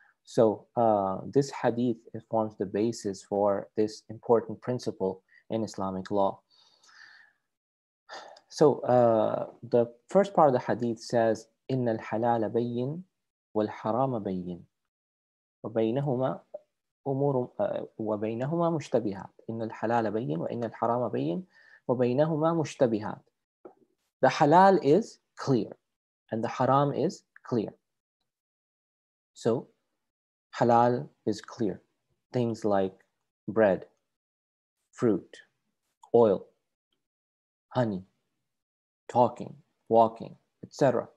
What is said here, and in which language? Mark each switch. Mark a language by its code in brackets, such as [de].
[en] So this hadith forms the basis for this important principle in Islamic law. So the first part of the hadith says, [ar] إِنَّ الْحَلَالَ بَيِّنْ وَالْحَرَامَ بَيِّنْ وَبَيْنَهُمَا أمور وبينهما مشتبهات. إن الحلال بين وإن الحرام بين وبينهما مشتبهات. [en] The halal is clear and the haram is clear. So halal is clear. Things like bread, fruit, oil, honey, talking, walking, etc.